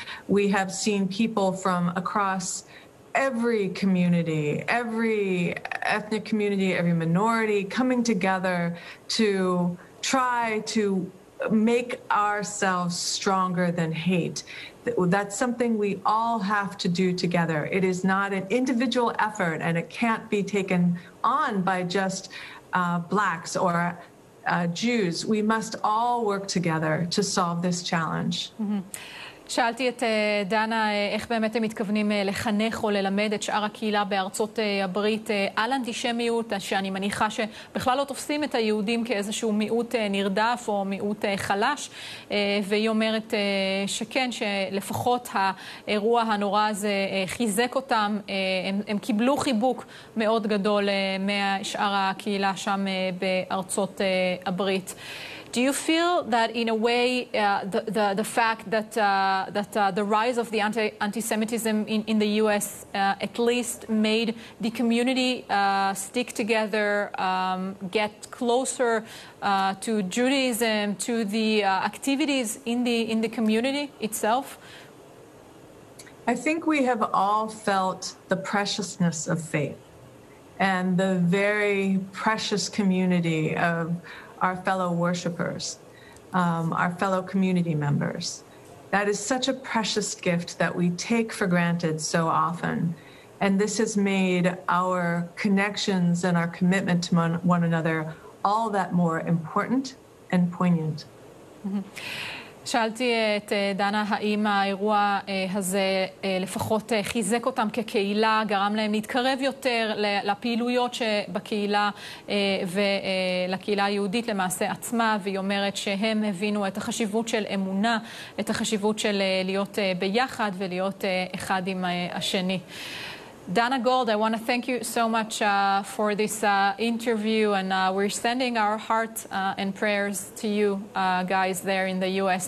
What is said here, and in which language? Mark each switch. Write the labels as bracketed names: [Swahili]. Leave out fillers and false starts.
[English] We have seen people from across every community, every ethnic community, every minority coming together to try to make ourselves stronger than hate. That's something we all have to do together. It is not an individual effort, and it can't be taken on by just blacks or Jews. We must all work together to solve this challenge. [Hebrew] שאלתי את דנה איך באמת הם מתכוונים לחנך או ללמד את שאר הקהילה בארצות הברית על אנטישמיות, שאני מניחה שבכלל לא תופסים את היהודים כאיזשהו מיעוט נרדף או מיעוט חלש, והיא אומרת שכן, שלפחות האירוע הנורא הזה חיזק אותם, הם קיבלו חיבוק מאוד גדול משאר הקהילה שם בארצות הברית. [English] Do you feel that in a way the fact that the rise of the anti-Semitism in the US at least made the community stick together, get closer to Judaism, to the activities in the community itself? I think we have all felt the preciousness of faith and the very precious community of our fellow worshipers, our fellow community members. That is such a precious gift that we take for granted so often. And this has made our connections and our commitment to one another all that more important and poignant. [Hebrew] שאלתי את דנה האם האירוע הזה לפחות חיזק אותם כקהילה, גרם להם להתקרב יותר לפעילויות שבקהילה ולקהילה היהודית למעשה עצמה, והיא אומרת שהם הבינו את החשיבות של אמונה, את החשיבות של להיות ביחד ולהיות אחד עם השני. [English] Dana Gold, I want to thank you so much for this interview, and we're sending our hearts and prayers to you guys there in the U.S.